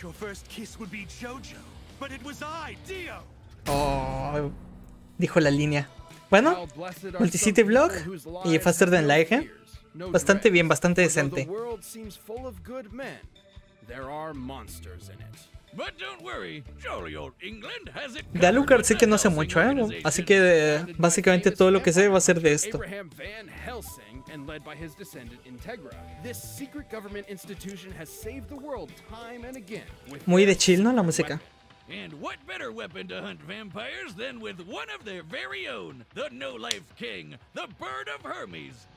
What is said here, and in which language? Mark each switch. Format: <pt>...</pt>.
<en>Your first kiss would be Jojo, but it was I, Dio.</en> <es>Oh, dijo la línea. Bueno, multi-city block y faster than light, ¿eh? Bastante bien, bastante decente.</es> <en>The world seems full of good men. There are monsters in it. But don't worry, jolly old England has it.</en> <es>De Alucard sé que no sé mucho, ¿eh? Así que básicamente todo lo que sé va a ser de esto.</es> <en>Abraham Van Helsing and led by his descendant Integra. This secret government institution has saved the world time and again.</en> <es>Muy de chill, ¿no? La música.</es> <en>And what better weapon to hunt vampires than with one of their very own, the No Life King, the Bird of Hermes.</en>